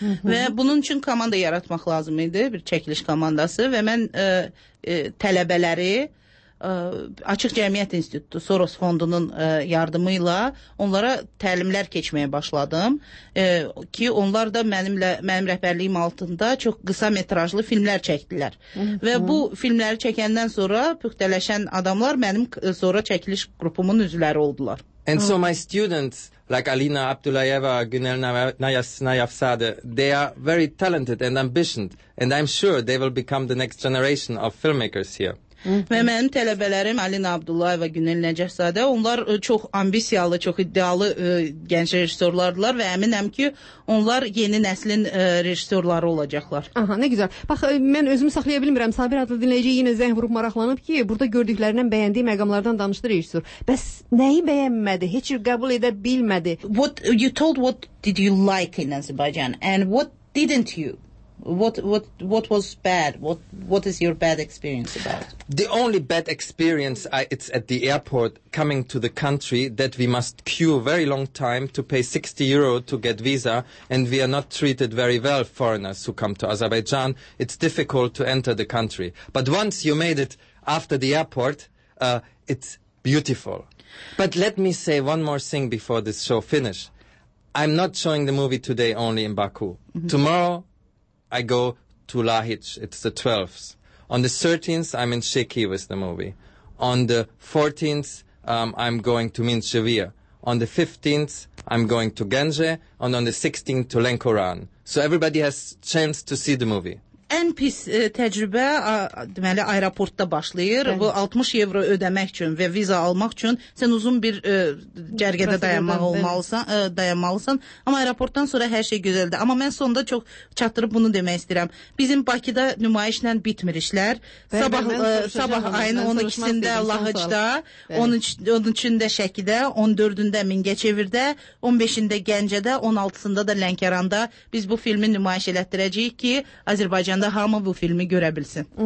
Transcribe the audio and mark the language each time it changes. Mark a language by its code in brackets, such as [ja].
[az] Və bunun üçün komanda yaratmaq lazım idi, bir çəkiliş komandası və mən tələbələri Açıq Cəmiyyət İnstitutu Soros Fondunun yardımı ilə onlara təlimlər keçməyə başladım ki, onlar da mənim rəhbərliyim altında çox qısa metrajlı filmlər çəkdilər. Və bu filmləri çəkəndən sonra püxtələşən adamlar mənim sonra çəkiliş qrupumun üzvləri oldular. [en] And so my students, like Alina Abdulayeva, Günel Nayafzade, they are very talented and ambitious, and I'm sure they will become the next generation of filmmakers here. [az] Və mənim tələbələrim Alina Abdullayeva, Günel Nəcəfzadə, onlar çox ambisiyalı, çox iddialı gənc rejissorlardılar və əminəm ki, onlar yeni nəslin rejissorları olacaqlar. Aha, nə güzel. Bax, mən özümü saxlaya bilmirəm. Sabir adlı dinləyici yenə zəng vurub maraqlanıb ki, burada gördüklərindən bəyəndiyi məqamlardan danışdı rejissor. Bəs nəyi bəyənmədi? Heç qəbul edə bilmədi. [en] What you told, what did you like in Azerbaijan and what didn't you What was bad? What is your bad experience about? The only bad experience, it's at the airport coming to the country that we must queue a very long time to pay 60 euro to get visa, and we are not treated very well, foreigners who come to Azerbaijan. It's difficult to enter the country. But once you made it after the airport, it's beautiful. But let me say one more thing before this show finish. I'm not showing the movie today only in Baku. Mm-hmm. Tomorrow, I go to Lahic. It's the 12th. On the 13th, I'm in Sheki with the movie. On the 14th, I'm going to Minchevir. On the 15th, I'm going to Genje. And on the 16th, to Lenkoran. So everybody has chance to see the movie. [az] Ən pis təcrübə deməli aeroportda başlayır. Bəli. Bu 60 euro ödəmək üçün və viza almaq üçün sən uzun bir cərgədə dayanmaq olmalısan, dayanmalısan. Amma aeroportdan sonra hər şey gözəldir. Amma mən sonda çox çatdırıb bunu demək istəyirəm. Bizim Bakıda nümayişlə bitmir işlər. Sabah ayın 12-sində Lahıcda, 13-ündə Şəkidə, 14-ündə Mingəçevirdə, 15-ində Gəncədə, 16-sında da Lənkəranda biz bu filmi nümayiş elətdirəcəyik ki, Azərbaycan Canda hamı bu filmi görə bilsin.